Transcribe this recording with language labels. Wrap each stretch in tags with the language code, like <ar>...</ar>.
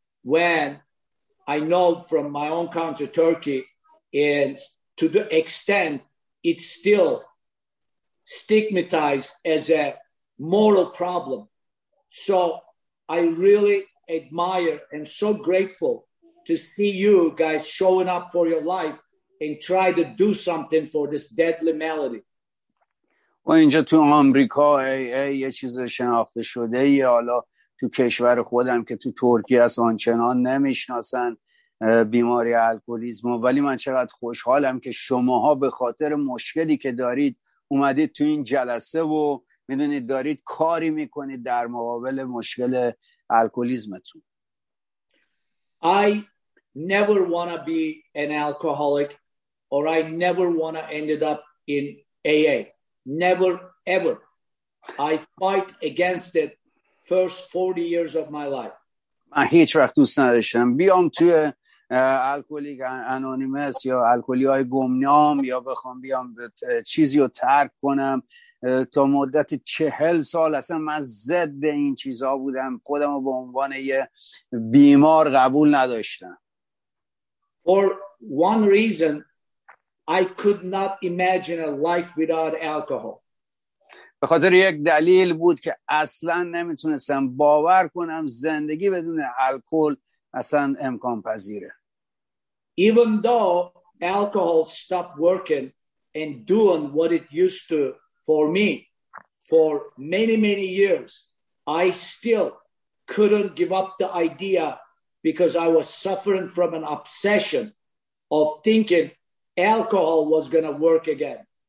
<en>When I know from my own country Turkey, and to the extent it's still stigmatized as a moral problem. So I really admire and so grateful to see you guys showing up for your life and try to do something for this deadly malady.</en> <fa>و اینجا تو آمریکا یه چیز شناخته شده ایه، حالا تو کشور خودم که تو ترکیه از آنچنان نمیشناسن بیماری الکلیزم. ولی من چقدر خوشحالم که شماها به خاطر مشکلی که دارید اومدید تو این جلسه و میدونید دارید کاری میکنید در مقابل مشکل الکلیزمتون.</fa> <en>I never wanna be an alcoholic or I never wanna ended up in AA. Never ever. I fight against it first 40 years of my life.</en> <fa>من هیچ وقت دوست نداشتم بیام توی الکلیک انانیمس یا الکلی های گمنام یا بخوام بیام چیزی رو ترک کنم. تا مدت 40 سال اصلا من ضد این چیزها بودم، خودم رو به عنوان یه بیمار قبول نداشتم.</fa> <en>For one reason I could not imagine a life without alcohol.</en> <fa>به خاطر یک دلیل بود که اصلا نمیتونستم باور کنم زندگی بدون الکل اصلا امکان پذیره.</fa> <en>Even though alcohol stopped working and doing what it used to for me for many many years, I still couldn't give up the idea because I was suffering from an obsession of thinking alcohol was going to work again.</en>